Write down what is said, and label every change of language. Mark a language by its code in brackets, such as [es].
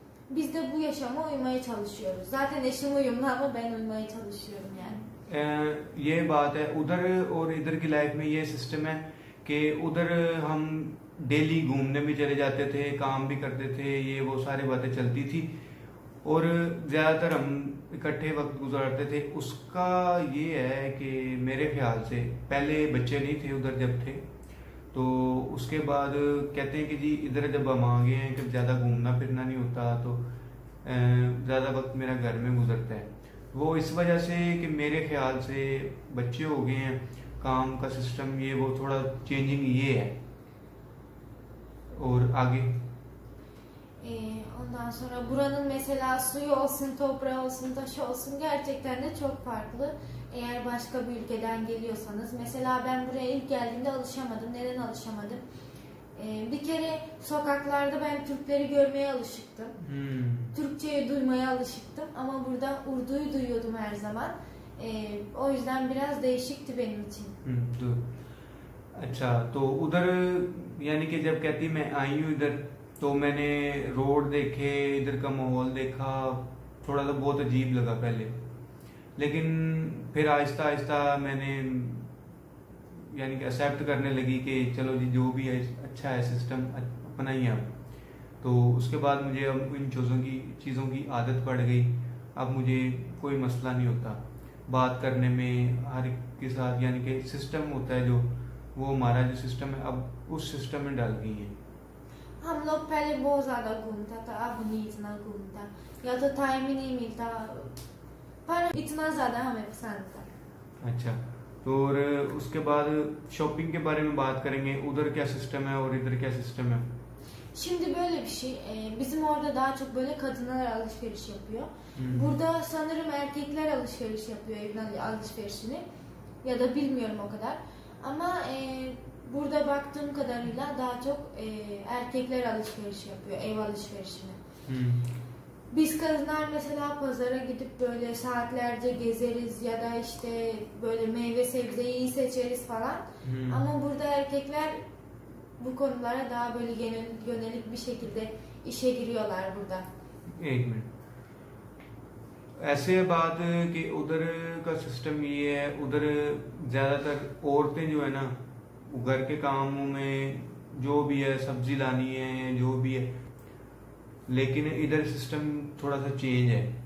[tr] Biz de bu yaşama uymaya çalışıyoruz. Zaten eşim uyumlu ama ben uymaya çalışıyorum yani. [hi] ये [tr] bağlı [hi] है, उधर और इधर की लाइफ में ये सिस्टम है कि उधर हम डेली घूमने भी चले जाते थे, काम भी करते थे, ये वो सारी बातें चलती थी, और ज़्यादातर हम इकट्ठे वक्त गुजारते थे। उसका ये है कि मेरे ख्याल से पहले बच्चे नहीं थे उधर जब थे, तो उसके बाद कहते हैं कि जी इधर जब हम आ गए हैं, जब ज़्यादा घूमना फिरना नहीं होता तो ज़्यादा वक्त मेरा घर में गुजरता है। वो इस वजह से कि मेरे ख्याल से बच्चे हो गए हैं, काम का सिस्टम ये वो, थोड़ा चेंजिंग ये है। और आगे [tr] Ondan sonra buranın mesela suyu olsun, toprağı olsun, taşı olsun gerçekten de çok farklı. Eğer başka bir ülkeden geliyorsanız, mesela ben buraya ilk geldiğimde alışamadım. Neden alışamadım? Bir kere sokaklarda ben Türkleri görmeye alışıktım. Türkçeyi duymaya alışıktım ama burada Urdu'yu duyuyordum her zaman. O yüzden biraz değişikti benim için. Dur. [hi] अच्छा तो उधर यानी कि जब कहती मैं आई हूँ इधर, तो मैंने रोड देखे, इधर का माहौल देखा, थोड़ा तो बहुत अजीब लगा पहले, लेकिन फिर आहिस्ता आहिस्ता मैंने यानी कि एक्सेप्ट करने लगी कि चलो जी जो भी है अच्छा है सिस्टम, अपना ही है। तो उसके बाद मुझे अब इन चीज़ों की आदत पड़ गई, अब मुझे कोई मसला नहीं होता बात करने में हर एक के साथ, यानी कि सिस्टम होता है जो, वो हमारा जो सिस्टम है अब उस सिस्टम में डाल गई है। हम लोग पहले बहुत ज्यादा घूमता था, अब नहीं इतना घूमता, या तो टाइम ही नहीं मिलता, पर इतना ज्यादा हमें पसंद था। अच्छा तो और उसके बाद शॉपिंग के बारे में बात करेंगे, उधर क्या सिस्टम है और इधर क्या सिस्टम है। [tr] Şimdi böyle bir şey, bizim orada daha çok böyle kadınlar alışveriş yapıyor. Burada sanırım erkekler alışveriş yapıyor evden alışverişini, ya da bilmiyorum o kadar. Ama burada baktığım kadarıyla daha çok erkekler alışveriş yapıyor, ev alışverişini. Biz kadınlar mesela pazara gidip böyle saatlerce gezeriz, ya da işte böyle meyve sebzeyi iyi seçeriz falan. Ama burada erkekler bu konulara daha böyle genel yönelik bir şekilde işe giriyorlar burada. [hi] एक minute, ऐसे बात कि उधर का system ये है, उधर ज़्यादातर औरतें जो है ना, घर के कामों में जो भी है, सब्जी लानी है जो भी है, लेकिन इधर सिस्टम थोड़ा सा चेंज है।